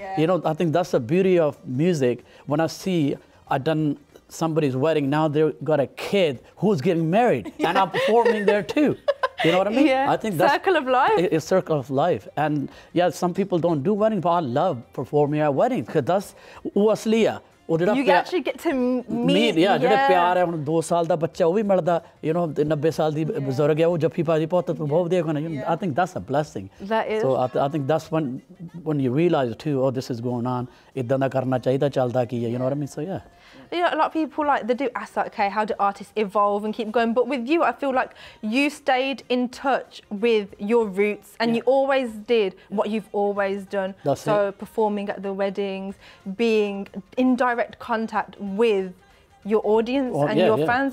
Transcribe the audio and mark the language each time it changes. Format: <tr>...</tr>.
<en>You know, I think that's the beauty of music. When I see I've done somebody's wedding, now they've got a kid who's getting married and I'm performing there too. You know what I mean? Yeah, I think that's circle of life. It's circle of life. And yeah, some people don't do weddings, but I love performing at weddings because that's uasliya. You actually get to meet.</en> <pa>ਜਿਹੜੇ ਪਿਆਰ ਹੈ ਹੁਣ 2 ਸਾਲ ਦਾ ਬੱਚਾ ਉਹ ਵੀ ਮਿਲਦਾ you know 90 ਸਾਲ ਦੀ ਬਜ਼ੁਰਗ ਹੈ ਉਹ ਜੱਫੀ ਪਾਜੀ ਪੁੱਤ ਤੋਂ ਬਹੁਤ ਵਧੀਆ ਕਹਿੰਦਾ</pa> <en>I think that's a blessing so I think that's one you realize to oh this is going on</en> <pa>ਇਦਾਂ ਦਾ ਕਰਨਾ ਚਾਹੀਦਾ ਚੱਲਦਾ ਕੀ ਹੈ</pa> <en>You know what I mean so yeah Yeah, a lot of people like they do ask, like, okay, how do artists evolve and keep going? But with you, I feel like you stayed in touch with your roots and you always did what you've always done. That's so it. Performing at the weddings, being in direct contact with your audience and your fans.</en>